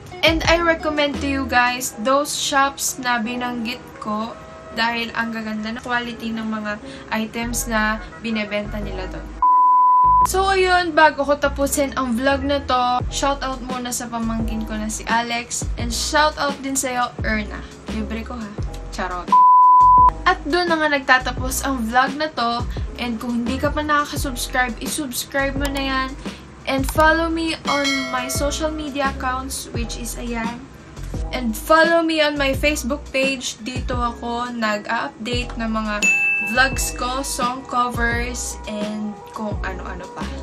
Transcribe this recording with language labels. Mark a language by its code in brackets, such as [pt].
[en] And I recommend to you guys those shops [tl] na binanggit ko dahil ang gaganda ng quality ng mga items na binebenta nila doon. So ayun, bago ko tapusin ang vlog na to, shoutout muna sa pamangkin ko na si Alex. And shoutout din sa'yo, Erna. Libre ko ha. Charot. At doon na nga nagtatapos ang vlog na to. And kung hindi ka pa nakaka-subscribe, i-subscribe mo na yan. [en] And follow me on my social media accounts, which is ayan. And follow me on my Facebook page. [tl] Dito ako nag-update ng mga vlogs ko, song covers, and kung ano-ano pa.